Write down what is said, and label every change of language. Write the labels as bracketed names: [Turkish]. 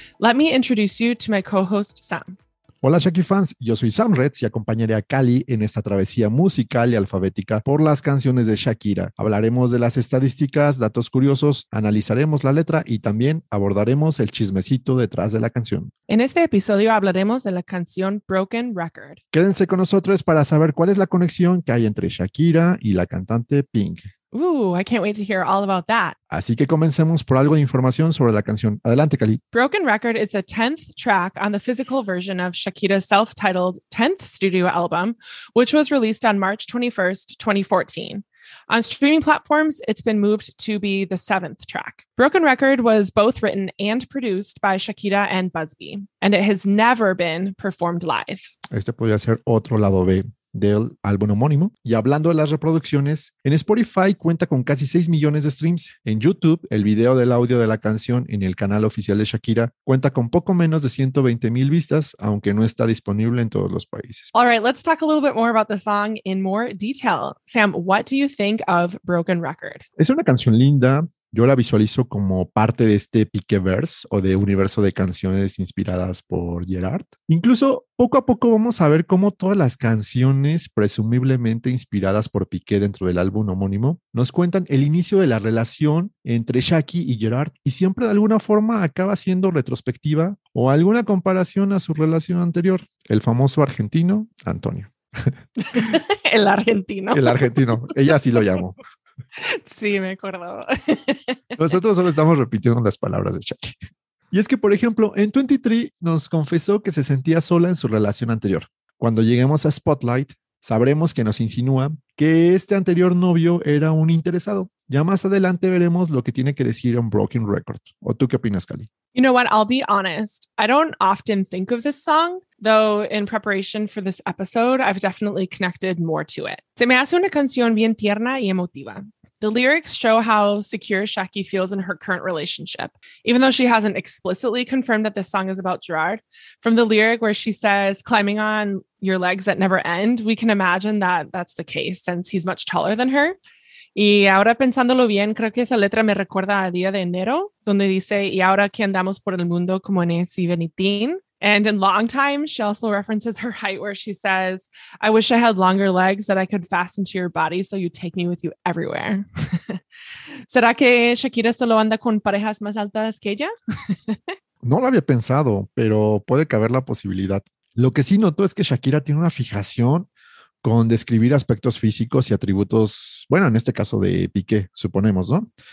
[English] Let me introduce you to my co-host Sam. [Spanish] Hola Shaki fans, yo soy Sam Retz y acompañaré a Callie en esta travesía musical y alfabética por las canciones de Shakira. Hablaremos de las estadísticas, datos curiosos, analizaremos la letra y también abordaremos el chismecito detrás de la canción. En este episodio hablaremos de la canción Broken Record. Quédense con nosotros para saber cuál es la conexión que hay entre Shakira y la cantante Pink. [English] Ooh, I can't wait to hear all about that. [Spanish] Así que comencemos por algo de información sobre la canción. Adelante, Cali. [English] Broken Record is the 10th track on the physical version of Shakira's self-titled 10th studio album, which was released on March 21st, 2014. On streaming platforms, it's been moved to be the 7th track. Broken Record was both written and produced by Shakira and Busby, and it has never been performed live. [Spanish] Este podría ser otro lado B del álbum homónimo. Y hablando de las reproducciones, en Spotify cuenta con casi 6 millones de streams. En YouTube, el video del audio de la canción en el canal oficial de Shakira cuenta con poco menos de 120 mil vistas, aunque no está disponible en todos los países. [English] All right, let's talk a little bit more about the song in more detail. Sam, what do you think of Broken Record? [Spanish] Es una canción linda. Yo la visualizo como parte de este Piqueverse o de universo de canciones inspiradas por Gerard. Incluso poco a poco vamos a ver cómo todas las canciones presumiblemente inspiradas por Piqué dentro del álbum homónimo nos cuentan el inicio de la relación entre Shaki y Gerard y siempre de alguna forma acaba siendo retrospectiva o alguna comparación a su relación anterior, el famoso argentino Antonio. El argentino. El argentino, ella así lo llamó. Sí, me acuerdo. Nosotros solo estamos repitiendo las palabras de Shaki. Y es que, por ejemplo, en 23 nos confesó que se sentía sola en su relación anterior. Cuando lleguemos a Spotlight, sabremos que nos insinúa que este anterior novio era un interesado. Ya más adelante veremos lo que tiene que decir en Broken Record. ¿O tú qué opinas, Cali? [English] You know what? I'll be honest. I don't often think of this song, though in preparation for this episode, I've definitely connected more to it. [Spanish] Se me hace una canción bien tierna y emotiva. [English] The lyrics show how secure Shaki feels in her current relationship. Even though she hasn't explicitly confirmed that this song is about Gerard, from the lyric where she says, climbing on your legs that never end, we can imagine that that's the case since he's much taller than her. [Spanish] Y ahora pensándolo bien, creo que esa letra me recuerda a Día de Enero, donde dice, y ahora que andamos por el mundo como en ese venitín. [English] And in Long Time, she also references her height where she says, I wish I had longer legs that I could fasten to your body so you take me with you everywhere. [Spanish] ¿Será que Shakira solo anda con parejas más altas que ella? No lo había pensado, pero puede caber la posibilidad. Lo que sí noto es que Shakira tiene una fijación con describir aspectos físicos y atributos, bueno, en este caso de Piqué, suponemos, ¿no?